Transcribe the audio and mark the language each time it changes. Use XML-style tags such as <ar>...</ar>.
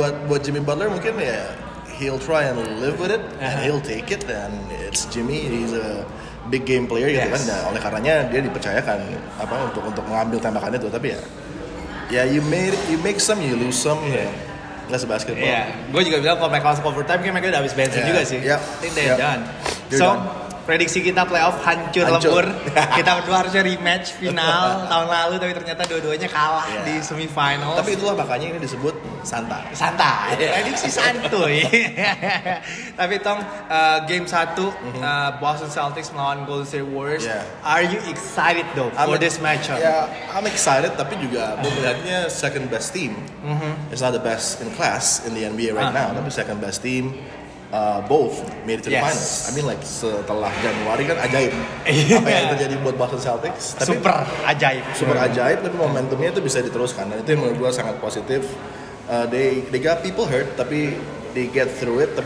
<id>buat Jimmy Butler mungkin ya,</id> <en>he'll try and live with it and he'll take it. And it's Jimmy. He's a big game player,</en> <id>gitu kan. Nah, oleh karenanya dia dipercayakan apa untuk mengambil tembakannya itu. Tapi ya,</id> <en>you make some, you lose some. That's basketball. Yeah,</en> <id>gue juga bilang kalau mereka masuk overtime, kan mereka udah habis bensin juga sih.</id> <en>Yeah. I think they're done. So,</en> <id>prediksi kita playoff hancur lebur. Kita berdua harusnya rematch final tahun lalu, tapi ternyata dua-duanya kalah di semifinals. Tapi itulah makanya ini disebut Santa. Prediksi santuy. Tapi Tong, game 1, Boston Celtics melawan Golden State Warriors.</id> <en>Are you excited though for this matchup? Yeah, I'm excited,</en> <id>tapi juga melihatnya</id> <en>second best team. It's not the best in class in the NBA right now, tapi second best team. Both made it to the finals. I mean like</en> <id>setelah Januari kan ajaib. Apa yang terjadi buat Boston Celtics? Tapi super ajaib. Tapi momentumnya itu bisa diteruskan. Dan itu yang menurut gue sangat positif.</id> <en>They got people hurt, tapi they get through it.</en>